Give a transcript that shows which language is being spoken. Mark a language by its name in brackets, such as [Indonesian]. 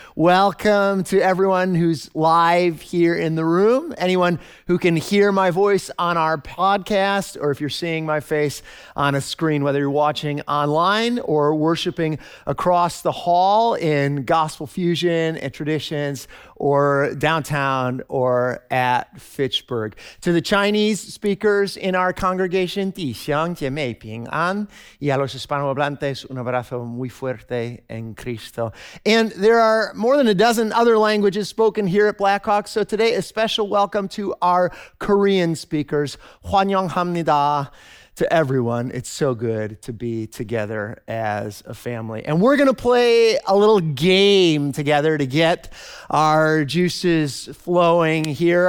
[English] Welcome to everyone who's live here in the room, anyone who can hear my voice on our podcast, or if you're seeing my face on a screen, whether you're watching online or worshiping across the hall in Gospel Fusion and Traditions, or downtown, or at Fitchburg. To the Chinese speakers in our congregation, [Chinese] Ti Xiang Jie Mei Ping An, [Spanish] y a los hispanohablantes, un abrazo muy fuerte en Cristo. [English] And there are more than a dozen other languages spoken here at Blackhawk, so today a special welcome to our Korean speakers, [Korean] 환영합니다. [English] To everyone, it's so good to be together as a family. And we're going to play a little game together to get our juices flowing here.